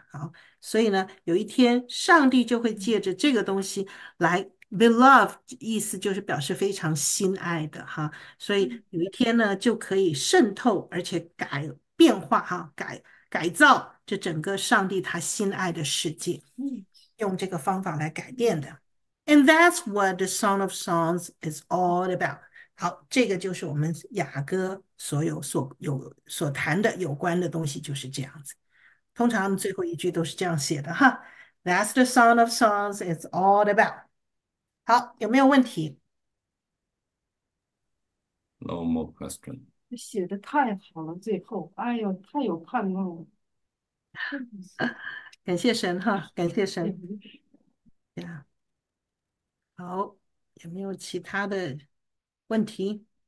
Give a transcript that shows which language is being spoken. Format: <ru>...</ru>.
<zh>好，所以呢，有一天上帝就会借着这个东西来 beloved，意思就是表示非常心爱的哈。所以有一天呢，就可以渗透而且改变化哈，改造这整个上帝他心爱的世界，用这个方法来改变的。</zh> <en>And that's what the Song of Songs is all about。</en> <zh>好，这个就是我们雅歌所谈的有关的东西就是这样子。通常最后一句都是这样写的哈。</zh> <en>That's the Song of Songs is all about。</en> <zh>好，有没有问题？</zh> <en>No more question.</en> <zh>写的太好了，最后，哎呦，太有盼望了，真的是，感谢神哈，感谢也神。不是。呀，好，有没有其他的问题？</zh>